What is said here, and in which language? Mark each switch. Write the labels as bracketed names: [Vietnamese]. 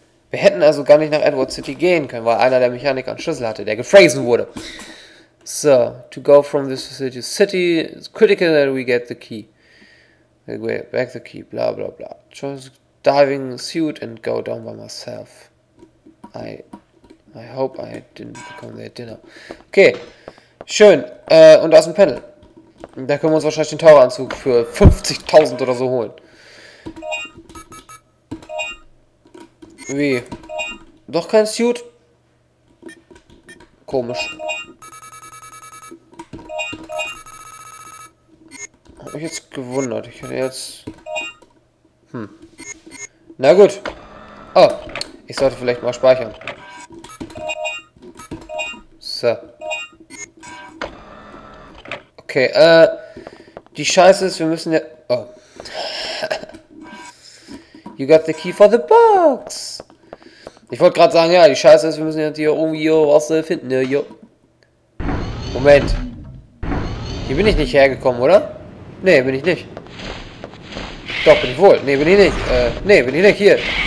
[German] Wir hätten also gar nicht nach Edward City gehen können, weil einer der Mechaniker einen Schlüssel hatte, der gefrozen wurde. [English] So, to go from this facility to city, it's critical that we get the key. We back the key, bla bla bla. Choose diving suit and go down by myself. I hope I didn't become their dinner. [German] Okay, schön. Und da ist ein Panel. Da können wir uns wahrscheinlich den Taucheranzug für 50.000 oder so holen. Wie? Doch kein Suit? Komisch. Hab mich jetzt gewundert. Ich hätte jetzt... Na gut. Oh, ich sollte vielleicht mal speichern. So. Okay, die Scheiße ist, wir müssen ja... Oh. [English] You got the key for the box! [German] Ich wollte gerade sagen, ja, die Scheiße ist, wir müssen jetzt hier irgendwie was finden, ja, Moment. Hier bin ich nicht hergekommen, oder? Nee, bin ich nicht. Doch, bin ich wohl. Nee, bin ich nicht. Nee, bin ich nicht. Hier.